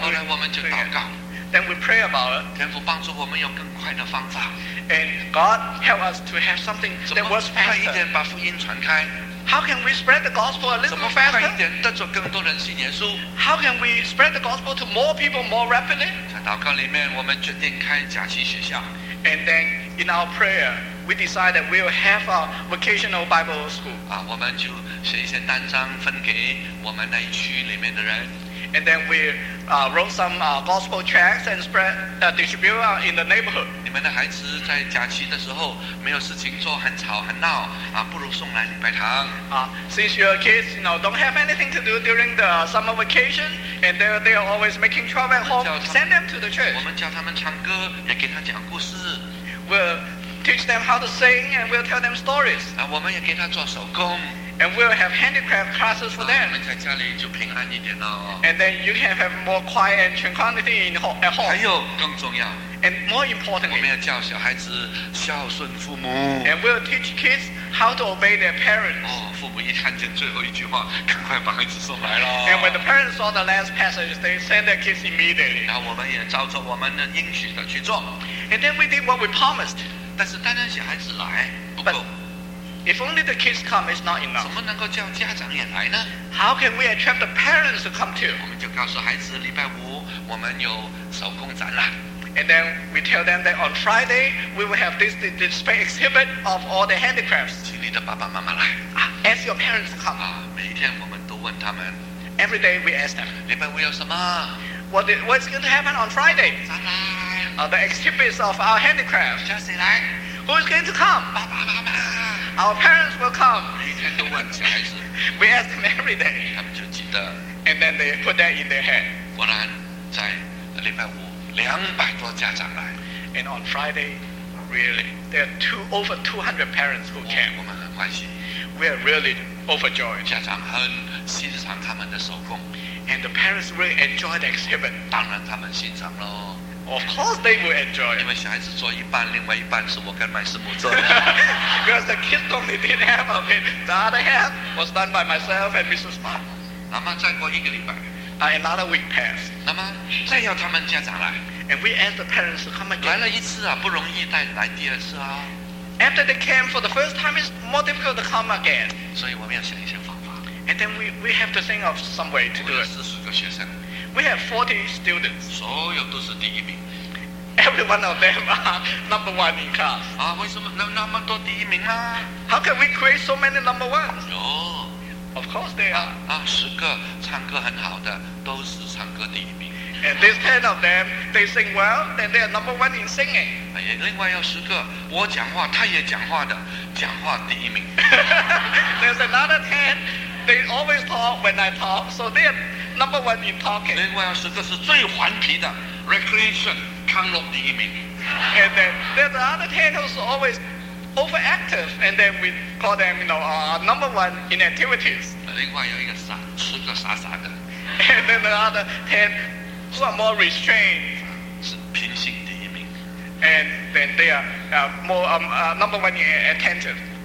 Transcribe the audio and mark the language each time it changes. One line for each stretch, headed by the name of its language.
Chinese: 后来我们就祷告。
English: Then we pray about it.
Chinese: 天父帮助我们有更快的方法。
English: And God helped us to have something that was faster.
Chinese: 怎么快一点把福音传开？
English: How can we spread the gospel a little faster?
Chinese: 怎么快一点得着更多人信耶稣？
English: How can we spread the gospel to more people more rapidly?
Chinese: 在祷告里面，我们决定开假期学校。
English: And then in our prayer, we decide that we'll have a vocational Bible school.
Chinese: 我们就写一些单张分给我们那一区里面的人。
English: And then we wrote some gospel tracts and spread distribute in the neighborhood.
Chinese: 你们的孩子在假期的时候没有事情做，很吵很闹不如送来礼拜堂。
English: Since your kids, you know, don't have anything to do during the summer vacation, and they are always making trouble at home, send them to the church.
Chinese: 我们教他们唱歌，也给他讲故事。
English: We'll teach them how to sing, and we'll tell them stories.
Chinese: 我们也给他做手工。
English: And we'll have handicraft classes for them.
Chinese: 我们在家里就平安一点了。
English: And then you can have more quiet and tranquility in at home.
Chinese: 还有更重要。
English: And more importantly,
Chinese: 我们要教小孩子孝顺父母。
English: And we'll teach kids how to obey their parents.
Chinese: 父母一看见最后一句话，赶快把孩子送来了。
English: And when the parents saw the last passage, they send their kids immediately.
Chinese: 然后我们也照着我们的应许的去做。
English: And then we did what we promised.
Chinese: 但是单单小孩子来不够。
English: If only the kids come, it's not enough.
Chinese: 怎么能够叫家长也来呢？
English: How can we attract the parents to come too?
Chinese: 我们就告诉孩子礼拜五我们有手工展览。
English: And then we tell them that on Friday we will have this display exhibit of all the handicrafts.
Chinese: 请你的爸爸妈妈来。
English: Ask your parents to come.
Chinese: 每天我们都问他们。
English: Every day we ask them.
Chinese: 礼拜五有什么？
English: What's going to happen on Friday?
Chinese: 展览。
English: The exhibits of our handicrafts.
Chinese: 叫谁来？
English: Who is going to come?
Chinese: 爸爸妈妈。
English: Our parents will come.
Chinese: 每天都问小孩子。
English: We ask them every day.
Chinese: 他们就记得。
English: And then they put that in their head.
Chinese: 果然，在礼拜五，200多家长来。
English: And on Friday, really, there are over 200 parents who came.
Chinese: 我们很欢喜。
English: We are really overjoyed.
Chinese: 家长很欣赏他们的手工。
English: And the parents really enjoy the exhibit.
Chinese: 当然，他们欣赏咯。
English: Of course they will enjoy it.
Chinese: 因为小孩子做一半，另外一半是我跟麦师母做的。
English: Because the kids only did half of it. The other half was done by myself and Mrs. Ma.
Chinese: 那么再过一个礼拜。
English: Another week passed.
Chinese: 那么再要他们家长来。
English: And we asked the parents to come again.
Chinese: 来了一次不容易，再来第二次
English: After they came for the first time, it's more difficult to come again.
Chinese: 所以我们要想一些方法。
English: And then we have to think of some way to do it.
Chinese: 40个学生。
English: We have 40 students.
Chinese: 所有都是第一名。
English: Every one of them are number one in class.
Chinese: 为什么那么多第一名啊？
English: How can we create so many number ones?
Chinese: 有。
English: Of course they are.
Chinese: 十个唱歌很好的都是唱歌第一名。
English: And these 10 of them, they sing well, then they are number one in singing.
Chinese: 另外有十个，我讲话，他也讲话的，讲话第一名。
English: There's another 10, they always talk when I talk, so they're number one in talking.
Chinese: 另外有十个是最顽皮的 ，recreation 康乐第一名。
English: And then there's another 10 who's always overactive, and then we call them, you know, number one in activities.
Chinese: 另外有一个傻，十个傻傻的。
English: And then the other 10 who are more restrained.
Chinese: 是品性第一名。
English: and then they are more number one attentive.